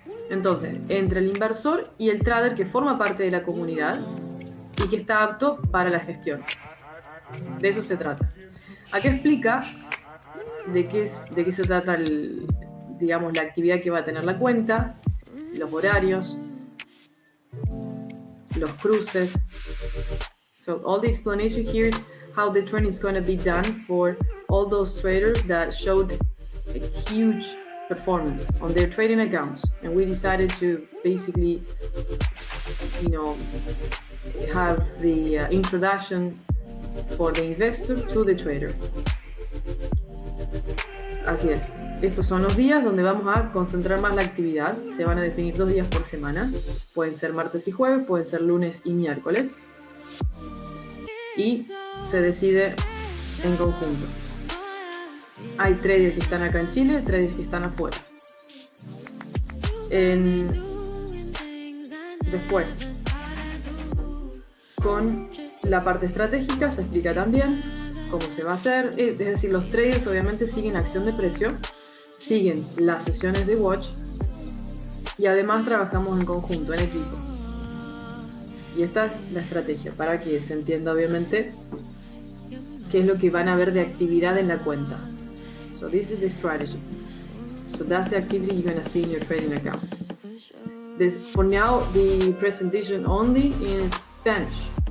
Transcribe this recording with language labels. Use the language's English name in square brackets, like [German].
[Spanish] Entonces, entre el inversor y el trader que forma parte de la comunidad y que está apto para la gestión. De eso se trata. Acá explica de qué se trata digamos, la actividad que va a tener la cuenta, los horarios, los cruces. [English] So all the explanation here is how the training is going to be done for all those traders that showed a huge performance on their trading accounts, and we decided to basically, you know, have the introduction for the investor to the trader. [Spanish] Así es. Estos son los días donde vamos a concentrar más la actividad. Se van a definir 2 días por semana. Pueden ser martes y jueves, pueden ser lunes y miércoles. Y se decide en conjunto. Hay traders que están acá en Chile, traders que están afuera. Después, con la parte estratégica se explica también cómo se va a hacer. Es decir, los traders obviamente siguen acción de precio, siguen las sesiones de watch y además trabajamos en conjunto, en equipo. Y esta es la estrategia, para que se entienda obviamente qué es lo que van a ver de actividad en la cuenta. [English] So this is the strategy. So that's the activity you're going to see in your trading account. This, for now, the presentation only in Spanish.